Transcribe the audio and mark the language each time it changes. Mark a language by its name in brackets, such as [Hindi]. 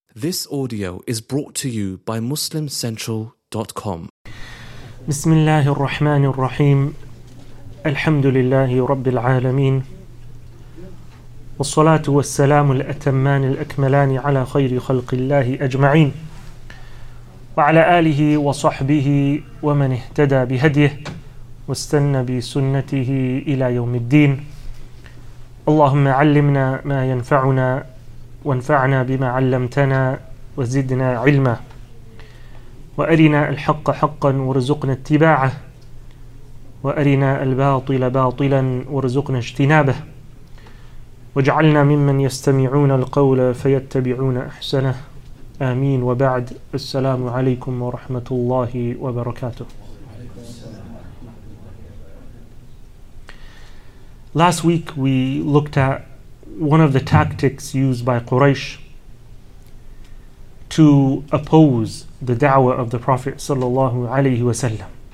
[English] This audio is brought to you by MuslimCentral.com. [Arabic] بسم الله الرحمن الرحيم الحمد لله رب العالمين والصلاة والسلام الأتمان الأكملان على خير خلق الله أجمعين وعلى آله وصحبه ومن اهتدى بهديه واستنى بسنته إلى يوم الدين اللهم علمنا ما ينفعنا وانفعنا بما علمتنا وزدنا علما وأرنا الحق حقا وارزقنا اتباعه وأرنا الباطل باطلا وارزقنا اجتنابه واجعلنا ممن يستمعون القول فيتبعون أحسنه آمين وبعد السلام عليكم ورحمة الله وبركاته. [English] Last week we looked at one of the tactics used by Quraysh to oppose the da'wah of the Prophet sallallahu alayhi wasallam.